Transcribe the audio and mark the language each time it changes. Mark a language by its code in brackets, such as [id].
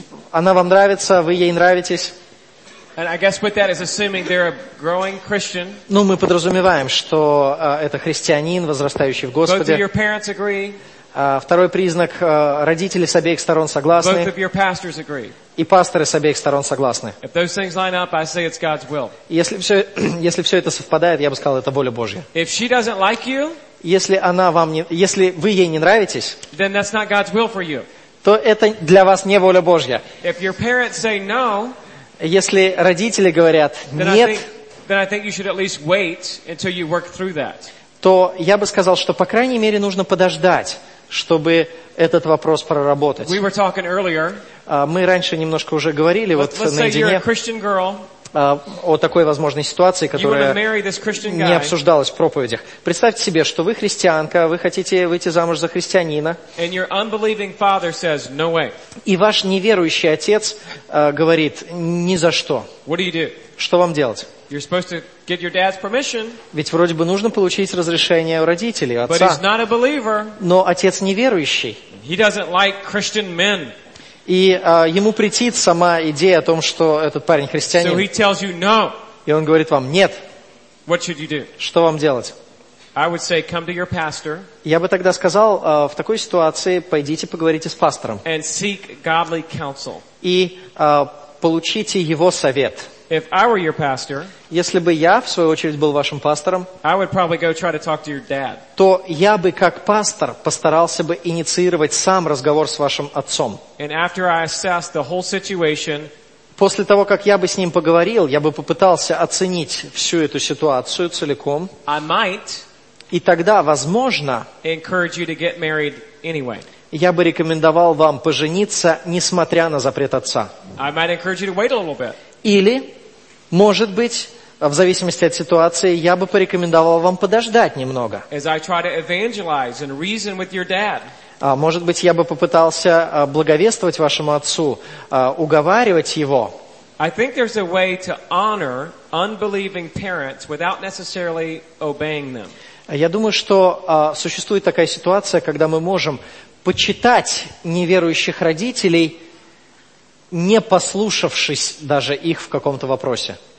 [ru] Она вам нравится, вы ей нравитесь. [en] And I guess with that is assuming they're a growing Christian. [ru] Ну, мы подразумеваем, что это христианин, возрастающий в Господе. [en] Both of your parents agree. [ru] Второй признак, родители с обеих сторон согласны. [en] Both of your pastors agree. [ru] И пасторы с обеих сторон согласны. [en] If those things line up, I say it's God's will. [ru] Если все это совпадает, я бы сказал, это воля Божья. [en] If she doesn't like you, [ru] если вы ей не нравитесь, [en] then that's not God's will for you. [ru] То это для вас не воля Божья. [en] If your parents say no, [ru] если родители говорят нет, [en] then I think you should at least wait until you work through that. [ru] То я бы сказал, что по крайней мере нужно подождать, чтобы этот вопрос проработать. [en] We were talking earlier. [ru] Мы раньше немножко уже говорили вот наедине о такой возможной ситуации, которая не обсуждалась в проповедях. Представьте себе, что вы христианка, вы хотите выйти замуж за христианина, [en] and your unbelieving father says, no way. [ru] И ваш неверующий отец говорит ни за что. [en] What do you do? [ru] Что вам делать? [en] You're supposed to get your dad's permission. [ru] Ведь вроде бы нужно получить разрешение у родителей, отца. [en] But he's not a believer. [ru] Но отец неверующий. [en] He doesn't like Christian men. [ru] И ему претит сама идея о том, что этот парень христианин. [en] So he tells you no. [ru] И он говорит вам нет. [en] What should you do? [ru] Что вам делать? [en] I would say come to your pastor. [ru] Я бы тогда сказал, в такой ситуации пойдите поговорите с пастором. [en] And seek godly counsel. [ru] И получите его совет. [en] If I were your pastor, [ru] если бы я, в свою очередь, был вашим пастором, [en] I would probably go try to talk to your dad. [ru] То я бы, как пастор, постарался бы инициировать сам разговор с вашим отцом. [en] And after I assess the whole situation, [ru] после того, как я бы с ним поговорил, я бы попытался оценить всю эту ситуацию целиком, [en] I might, [ru] и тогда, возможно, [en] encourage you to get married anyway. [ru] Я бы рекомендовал вам пожениться, несмотря на запрет отца. [en] I might encourage you to wait a little bit. [ru] Или, может быть, в зависимости от ситуации, я бы порекомендовал вам подождать немного. [en] As I try to evangelize and reason with your dad. [ru] Может быть, я бы попытался благовествовать вашему отцу, уговаривать его. [en] I think there's a way to honor unbelieving parents without necessarily obeying them. [ru] Я думаю, что существует такая ситуация, когда мы можем почитать неверующих родителей, не послушавшись даже их в каком-то вопросе.